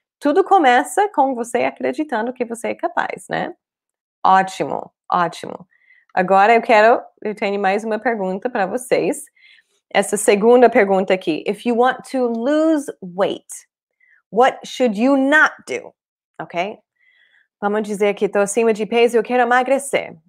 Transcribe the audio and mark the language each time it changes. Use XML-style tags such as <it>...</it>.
<pt>Tudo começa com você acreditando que você é capaz, né? Ótimo. Ótimo. Agora eu tenho mais uma pergunta para vocês. Essa segunda pergunta aqui.</pt> <en>If you want to lose weight, what should you not do? Ok?</en> <pt>Vamos dizer que estou acima de peso e eu quero emagrecer.</pt>